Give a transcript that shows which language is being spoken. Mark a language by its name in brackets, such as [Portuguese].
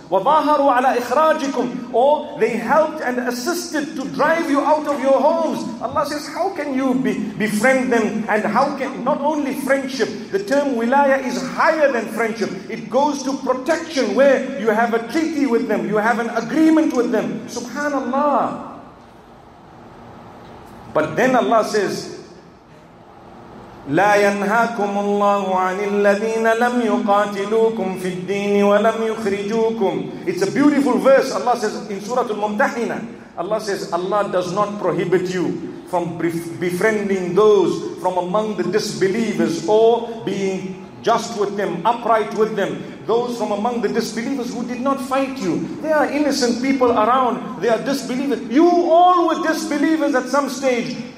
[Arabic] وَظَاهَرُوا عَلَىٰ إِخْرَاجِكُمْ, [English] or they helped and assisted to drive you out of your homes. Allah says, how can you befriend them? And how can, not only friendship, the term wilaya is higher than friendship. It goes to protection where you have a treaty with them, you have an agreement with them. Subhanallah. But then Allah says, [Arabic] لا ينهاكم الله عن الذين لم يقاتلوكم في الدين ولم يخرجوكم. [English] It's a beautiful verse. Allah says in Surah Al-Mumtahina, Allah says, Allah does not prohibit you from befriending those from among the disbelievers or being just with them, upright with them. Those from among the disbelievers who did not fight you. There are innocent people around. They are disbelievers. You all were disbelievers at some stage.